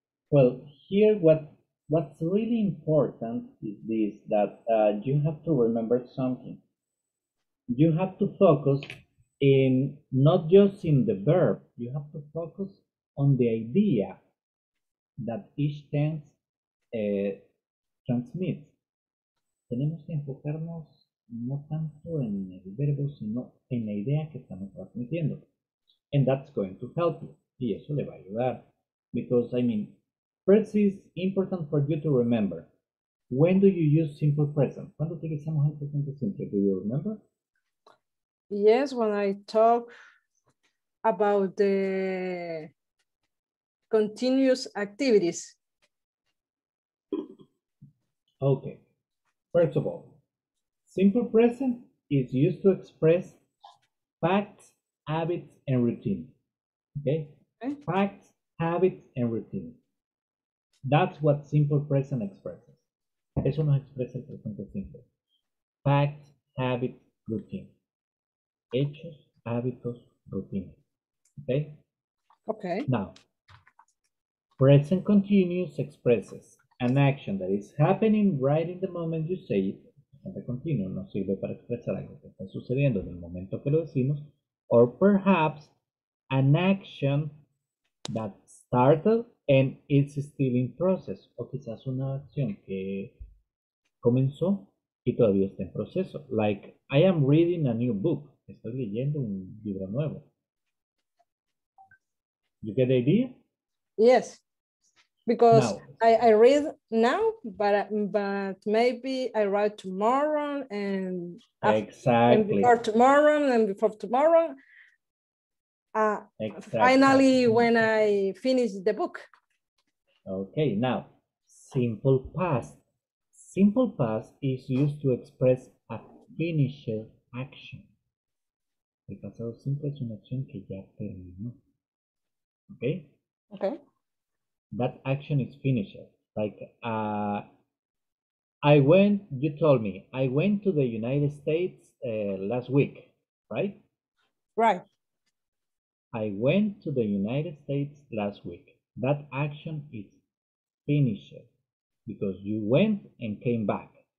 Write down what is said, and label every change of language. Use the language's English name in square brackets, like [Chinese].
[English] Well, here what's really important is this, that you have to remember something. You have to focus in not just in the verb, you have to focus on the idea that each tense transmits. [Spanish] Tenemos que enfocarnos no tanto en el verbo, sino en la idea que estamos transmitiendo. [English] And that's going to help you. [Spanish] Y eso le va a ayudar. [English] Because, I mean, first is important for you to remember. When do you use simple present? [Spanish] ¿Cuándo utilizamos el presente simple? [English] Do you remember? Yes, when I talk about the continuous activities. Okay. First of all, simple present is used to express facts, habits, and routine. Okay? Facts, habits, and routine. That's what simple present expresses. [Spanish] Eso nos expresa el presente simple. [English] Facts, habits, routine. [Spanish] Hechos, hábitos, routine. Okay? [English] Okay. Now, Present continuous expresses an action that is happening right in the moment you say it. [Spanish] Presente continuo nos sirve para expresar algo que está sucediendo en el momento que lo decimos. [English] Or perhaps an action that started and is still in process. [Spanish] O quizás una acción que comenzó y todavía está en proceso. [English] Like, I am reading a new book. [Spanish] Estoy leyendo un libro nuevo. [English] You get the idea? Yes. Because now. I read now, but maybe I write tomorrow and before tomorrow and before tomorrow. Finally, when I finish the book. Okay, now, simple past. Simple past is used to express a finished action. [Spanish] El pasado simple es una acción que ya terminó. [English] Okay? Okay. That action is finished. Like, I went, you told me, I went to the United States last week, right? Right. I went to the United States last week. That action is finished because you went and came back.